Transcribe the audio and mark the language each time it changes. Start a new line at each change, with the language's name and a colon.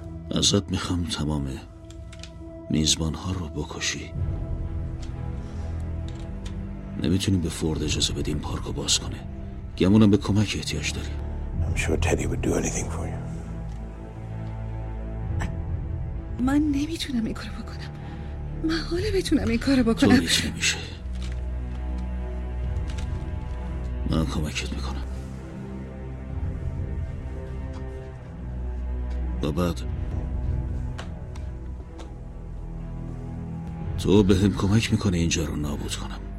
Persian: ازت میخوام تمام میزبان ها رو بکشی. نمیتونیم به فورد اجازه بدیم پارک رو باز کنه. گمونم به کمک احتیاج داری.
English: I'm sure Teddy would do anything for you. I
Persian: من نمیتونم این کارو بکنم. محاله بتونم این کارو بکنم. تو نمیشه. من کمکت میکنم. و بعد تو به هم کمک میکنه اینجا رو نابود کنم.